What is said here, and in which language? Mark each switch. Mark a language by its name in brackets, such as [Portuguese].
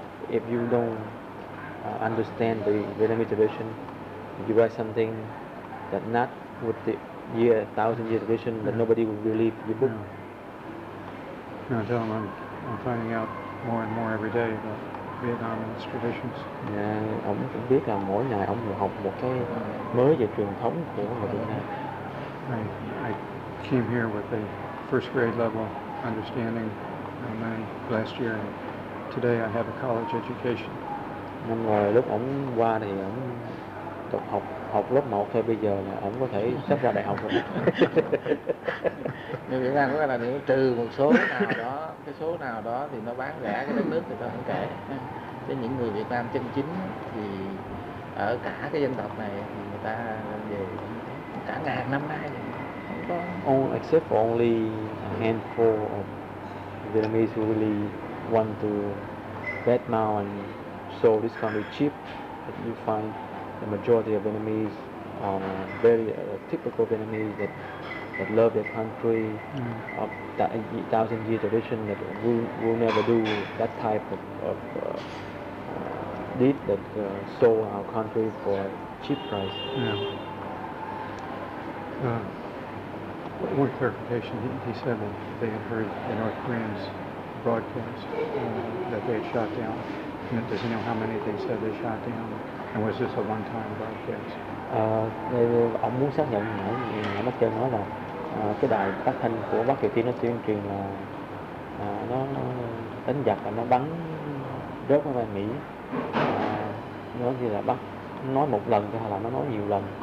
[English] If you don't understand the Vietnamese tradition, if you write something that not with the year, thousand year tradition, that nobody would believe your book. No, tell them I'm finding out more and more every day about Vietnam and its traditions. [Vietnamese] Yeah, ông biết là mỗi ngày ông học một cái mới về truyền thống của người Việt Nam. [English] I came here with a first grade level understanding, and then last year, and today I have a college education. [Vietnamese] Năm rồi lúc ổng qua thì ổng tập học học lớp 1 thôi, bây giờ là ổng có thể sắp ra đại học rồi. Nhưng Việt Nam có là nếu trừ một số nào đó, cái số nào đó thì nó bán rẻ cái đất nước thì tôi không kể. Chứ những người Việt Nam chân chính thì ở cả cái dân tộc này thì người ta về cả ngàn năm nay không có. [English] All except for only a handful of Vietnamese who really want to bet now and so this country cheap, but you find the majority of Vietnamese are very typical Vietnamese that love their country, of that 1,000-year tradition that will never do that type of deed that sold our country for a cheap price. Yeah. One clarification, he said that they had heard the North Koreans broadcast that they had shot down. Does he know how many they said they shot down? And was this a one-time broadcast? [Vietnamese] Ông muốn xác nhận hỏi nhà bác Trân nói là cái đài phát thanh của Bắc Triều Tiên nó tuyên truyền là nó đánh giặc và nó bắn rớt máy bay Mỹ. Nó như là bác nói một lần hay là nó nói nhiều lần?